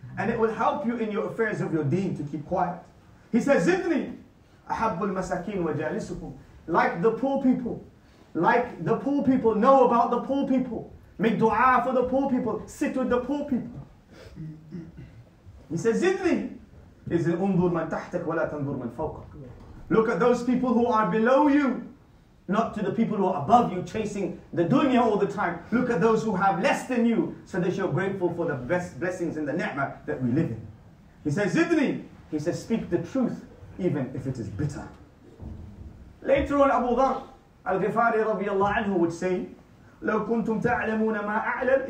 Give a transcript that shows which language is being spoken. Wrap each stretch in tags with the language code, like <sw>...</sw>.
<en>And it will help you in your affairs of your deen to keep quiet. He says,</en> <ar>زِدْنِي. أَحَبُّ الْمَسَكِينَ وَجَالِسُكُمْ.</ar> <en>Like the poor people. Like the poor people. Know about the poor people. Make dua for the poor people. Sit with the poor people. He says,</en> <ar>زِدْنِي.</ar> <en>He says,</en> <ar>أُنْظُرْ مَنْ تَحْتَكَ وَلَا تَنْظُرْ مَنْ فَوْقَكَ.</ar> <en>Look at those people who are below you, not to the people who are above you chasing the dunya all the time. Look at those who have less than you, so that you're grateful for the best blessings and the ni'mah that we live in. He says,</en> <ar>زِدْنِي.</ar> <en>He says, speak the truth, even if it is bitter. Later on, Abu Dharr al-Ghifari radiallahu anhu would say,</en> <ar>لَوْ كُنْتُمْ تَعْلَمُونَ مَا أَعْلَمُ.</ar>